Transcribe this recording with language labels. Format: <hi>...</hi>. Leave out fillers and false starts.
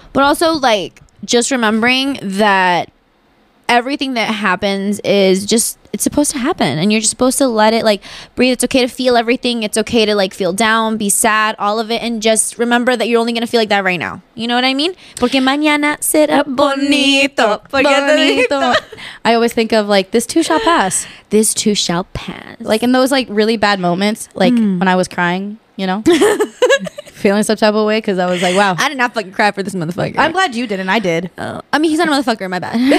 <en>But also, like, just remembering that everything that happens is just, it's supposed to happen. And you're just supposed to let it, like, breathe. It's okay to feel everything. It's okay to, like, feel down, be sad, all of it. And just remember that you're only going to feel like that right now. You know what I mean?</en> <es>Porque mañana será bonito. Bonito.</es> <en>I always think of, like, this too shall pass. This too shall pass. Like, in those, like, really bad moments, like, when I was crying, you know? Feeling some type of way, because I was like, wow. I did not fucking cry for this motherfucker. I'm glad you didn't. I did. Oh. I mean, he's not a motherfucker, my bad.</en>